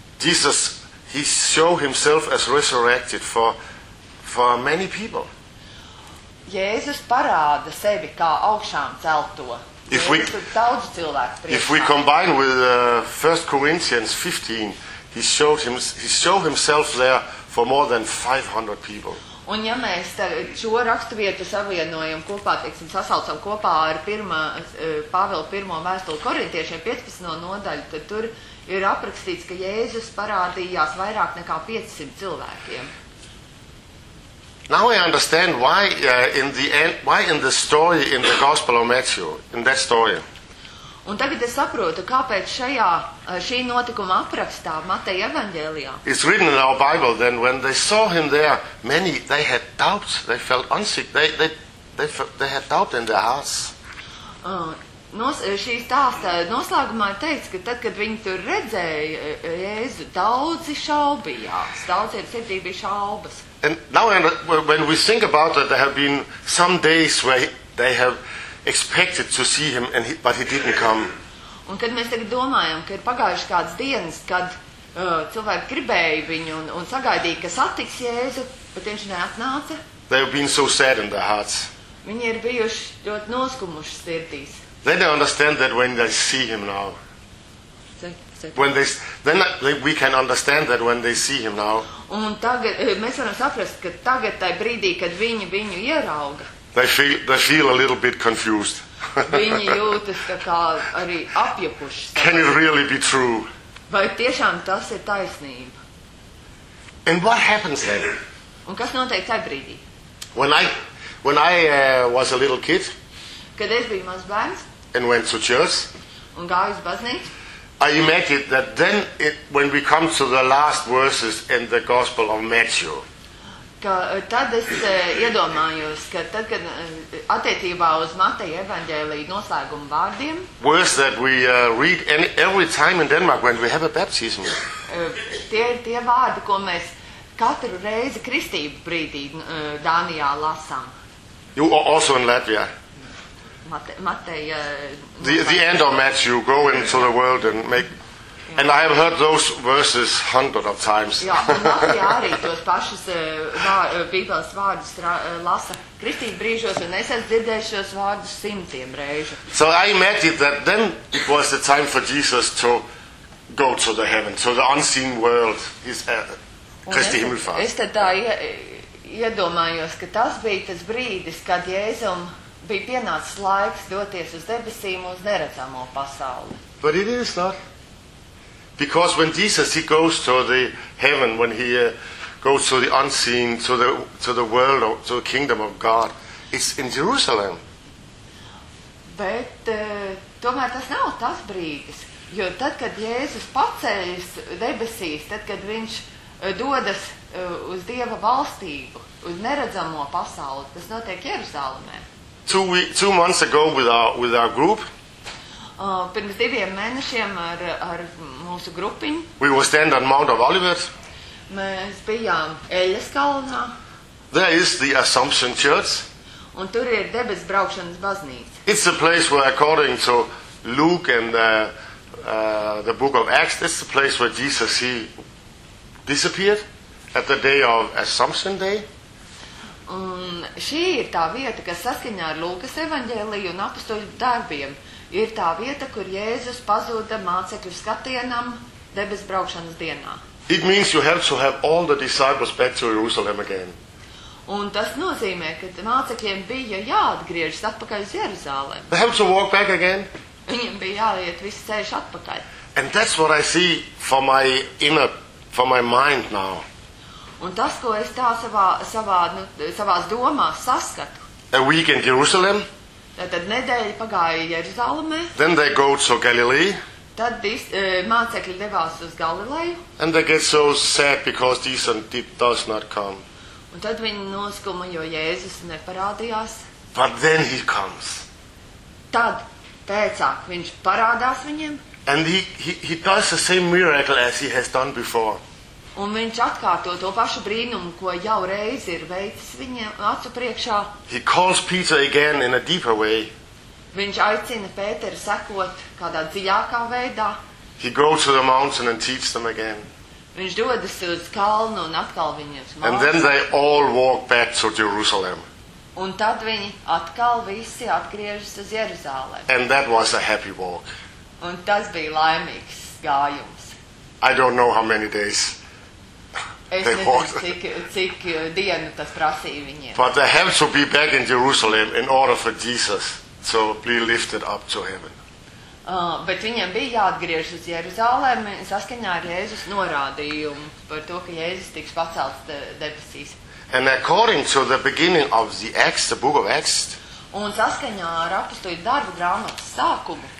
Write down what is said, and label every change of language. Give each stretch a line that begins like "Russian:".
English: Jesus, he show himself as resurrected for many people.
Latvian: Jēzus parāda sevi kā augšām celto. Daudz cilvēku priekšā.
English: If we combine with 1 Corinthians 15, he showed himself there for more than 500 people.
Latvian: Un ja mēs šo rakstu vietu savienojam kopā, teiksim, sasaucam kopā ar Pāvila 1. Vēstuli Korintiešiem 15. Nodaļu, tad tur ir aprakstīts, ka Jēzus parādījās vairāk nekā 500 cilvēkiem.
English: Now I understand why in the story in the Gospel of Matthew, in that story.
Latvian: Un tagad es saprotu, kāpēc šī notikuma aprakstā Mateja evaņģēlijā.
English: It's written in our Bible then when they saw him there, many they had doubts, they felt unsick, they had doubt in their hearts.
Latvian: Šī stāsta noslēgumā ir teikts, ka tad, kad viņi tur redzēja Jēzu, daudzi šaubījās, daudzi ir sirdī bija šaubas.
English: And now when we think about it, there have been some days where they have expected to see him, but he didn't come.
Latvian: Un kad mēs tagad domājam, ka ir pagājuši kāds dienas, kad cilvēki gribēja viņu un sagaidīja, ka satiks Jēzu, bet viņš neatnāca.
English: They have been so sad in their hearts.
Latvian: Viņi ir bijuši ļoti noskumuši sirdīs.
English: They don't understand that when they see him now. We can understand that when they see him now.
Latvian: Un tagad mēs varam saprast, ka tagad tajā brīdī, kad viņi viņu ierauga.
English: They feel a little bit confused.
Latvian: Viņi jūtas kā arī apjepuši.
English: Can it really be true?
Latvian: Vai tiešām tas ir taisnība?
English: And what happens then?
Latvian: Un kas notiek tajā brīdī?
English: When I was a little kid.
Latvian: Kad es biju mazs bērns.
English: And went to church.
Latvian: Un gāju uz baznīcu.
English: I imagine that then when we come to the last verses in the Gospel of Matthew.
Latvian: Tad es iedomājos, ka tad, kad attiecībā uz Mateja evaņģēlija noslēguma vārdiem.
English: Verse that we read every time in Denmark when we have a baptism.
Latvian: Tie vārdi, ko mēs katru reizi kristību brīdī Dānijā lasām.
English: You are also in Latvia.
Latvian: Mateja.
English: The end of Matthew, go into the world and make And I have heard those verses hundreds of times.
Latvian: Jā, man arī tos pašas Bībeles vārdus lasa kritīgi brīžos, un es esmu dzirdējis šos vārdus simtiem reižu.
English: So I imagine that then it was the time for Jesus to go to the heaven, so the unseen world is Kristi Himmelfahrt.
Latvian: Es tad tā iedomājos, ka tas bija tas brīdis, kad Jēzum bija pienācis laiks doties uz debesīm uz neredzamo pasauli.
English: But it is not. Because when Jesus he goes to the heaven, when he goes to the unseen, to the world, to the kingdom of God, it's in Jerusalem.
Latvian: Bet tomēr tas nav tas brīdis, jo tad, kad Jēzus paceļas debesīs, tad, kad viņš dodas uz Dieva valstību, uz neredzamo pasauli, tas notiek Jeruzalemē.
English: Two months ago with our group,
Latvian: Pirms diviem mēnešiem ar mūsu grupiņu.
English: We were standing on Mount of Olivet.
Latvian: Mēs bijām Eļas kalnā.
English: There is the Assumption Church.
Latvian: Un tur ir debes braukšanas baznīca.
English: It's a place where according to Luke and the book of Acts, it's the place where Jesus he disappeared at the day of Assumption Day.
Latvian: Un šī ir tā vieta, kas saskaņā ar Lūkas evaņģēliju un apostoļu darbiem. Ir tā vieta, kur Jēzus pazūda mācekļu skatienam debes braukšanas dienā.
English: It means you have to have all the disciples back to Jerusalem again.
Latvian: Un tas nozīmē, ka mācekļiem bija jāatgriežas atpakaļ uz Jeruzalem.
English: They have to walk back again.
Latvian: Viņiem bija jāiet viss ceļš atpakaļ.
English: And that's what I see for my mind now.
Latvian: Un tas, ko es tā savās domās saskatu.
English: A week in Jerusalem.
Latvian: Tad nedēļa pagāja Jeruzalemē.
English: Then they go to Galilee.
Latvian: Tad mācekļi devās uz Galileju.
English: And they get so sad because Jesus does not come.
Latvian: Un tad viņi noskuma, jo Jēzus neparādījās.
English: But then he comes.
Latvian: Tad pēcāk viņš parādās viņiem.
English: And he does the same miracle as he has done before.
Latvian: Un viņš atkārto to pašu brīnumu, ko jau reiz ir veicis viņiem acu priekšā.
English: He calls Peter again in a deeper way.
Latvian: Viņš aicina Pēteru sekot kādā dziļākā veidā.
English: He goes to the mountain and teach them again.
Latvian: Viņš dodas uz kalnu un atkal viņus māca.
English: And then they all walk back to Jerusalem.
Latvian: Un tad viņi atkal visi atgriežas uz Jeruzalem.
English: And that was a happy walk.
Latvian: Un tas bija laimīgs gājums.
English: I don't know how many days.
Latvian: Es nezinu, cik dienu tas prasīja viņiem.
English: But they have to be back in Jerusalem in order for Jesus to be lifted up to heaven.
Latvian: Bet viņiem bija jāatgriežas uz Jeruzalemi saskaņā ar Jēzus norādījumu par to, ka Jēzus tiks pacelts debesīs.
English: And according to the beginning of the Acts, the book of Acts,
Latvian: un saskaņā ar apustuļu darbu grāmatas sākumu,